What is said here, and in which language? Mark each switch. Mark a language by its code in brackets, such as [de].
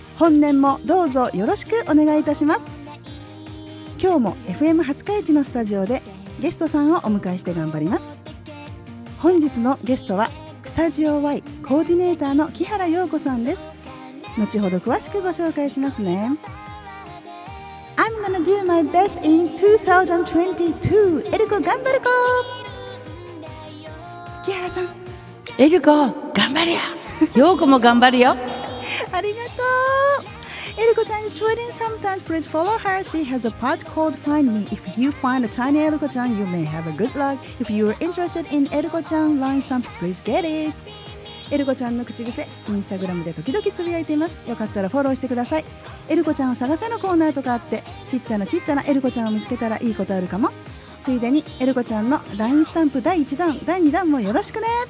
[ja] 本年もどうぞよろしくお願いいたします。今日も FM 廿日市のスタジオでゲストさんをお迎えして頑張ります。本日のゲストはスタジオ Y コーディネーターの木原陽子さんです。後ほど詳しくご紹介しますね。 [en] I'm gonna do my best in 2022 [ja] エルコ頑張るこ。木原さん、エルコ頑張るよ、陽子も頑張るよ。ありがとう。 [en] エルコちゃんは tweeting sometimes. Please follow her. She has a pod called Find Me. If you find a tiny エルコちゃん you may have a good luck. If you are interested in エルコちゃん LINE stamp, please get it. [ja] エルコちゃんの口癖、インスタグラムで時々つぶやいています。よかったらフォローしてください。エルコちゃんを探せのコーナーとかあって、ちっちゃなちっちゃなエルコちゃんを見つけたらいいことあるかも。ついでにエルコちゃんの LINE スタンプ第1弾第2弾もよろしくね。